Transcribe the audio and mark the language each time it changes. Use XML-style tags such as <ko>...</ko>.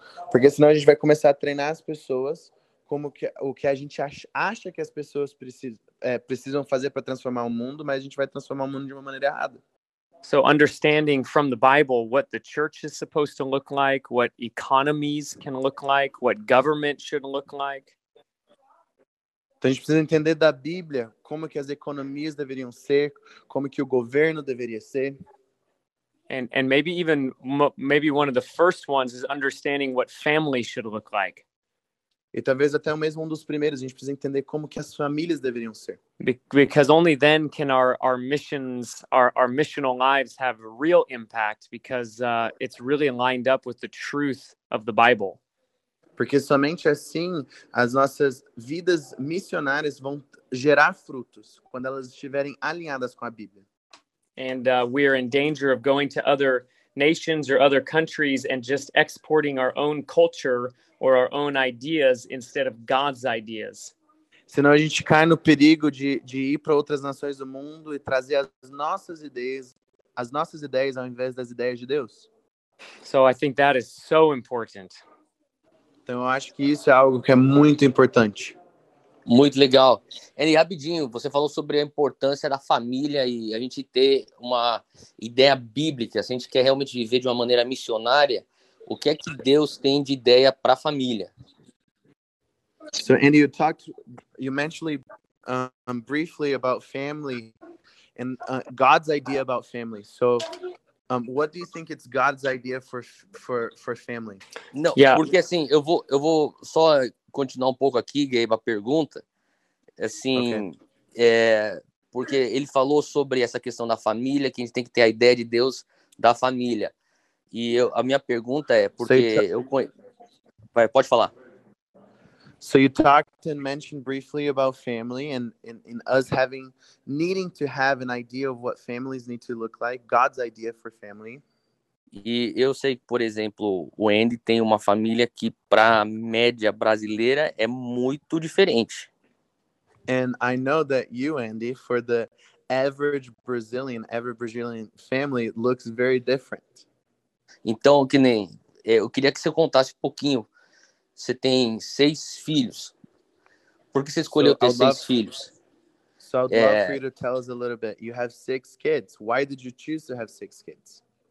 <pt>Porque senão a gente vai começar a treinar as pessoas como o que a gente acha que as pessoas precisam fazer para transformar o mundo, mas a gente vai transformar o mundo de uma maneira errada.</pt> <en>So understanding from the Bible what the church is supposed to look like, what economies can look like, what government should look like.</en> <pt>Então a gente precisa entender da Bíblia como que as economias deveriam ser, como que o governo deveria ser.</pt> <en>And maybe even maybe one of the first ones is understanding what family should look like.</en> <pt>E talvez até mesmo um dos primeiros, a gente precisa entender como que as famílias deveriam ser.</pt> <en>Because only then can our missional lives have real impact, because it's really lined up with the truth of the Bible.</en> <pt>Porque somente assim as nossas vidas missionárias vão gerar frutos quando elas estiverem alinhadas com a Bíblia.</pt> <en>And we are in danger of going to other nations or other countries and just exporting our own culture or our own ideas instead of God's ideas.</en> <pt>Senão a gente cai no perigo de ir para outras nações do mundo e trazer as nossas ideias ao invés das ideias de Deus.</pt> <en>So I think that is so important.</en> <pt>Então eu acho que isso é algo que é muito importante. Muito legal. E rapidinho, você falou sobre a importância da família e a gente ter uma ideia bíblica. Se a gente quer realmente viver de uma maneira missionária, o que é que Deus tem de ideia para a família?</pt> <en>So, Andy, you mentioned briefly about family and God's idea about family. So, what do you think it's God's idea for family?</en> <pt>Não, yeah. Porque assim, eu vou só continuar um pouco aqui, Gabe, a pergunta. Assim, okay. Porque ele falou sobre essa questão da família, que a gente tem que ter a ideia de Deus da família. E a minha pergunta é, pode falar.</pt> <en>So you talked and mentioned briefly about family and us needing to have an idea of what families need to look like, God's idea for family.</en> <pt>E eu sei que, por exemplo, o Andy tem uma família que para a média brasileira é muito diferente.</pt> <en>And I know that you, Andy, for the average Brazilian family looks very different.</en> <pt>Então, que nem, eu queria que você contasse um pouquinho. Você tem 6 filhos. Por que você escolheu ter 6 filhos?</pt> <en>So I'd love for you to tell us a little bit. You have 6 kids. Why did you choose to have 6 kids?</en>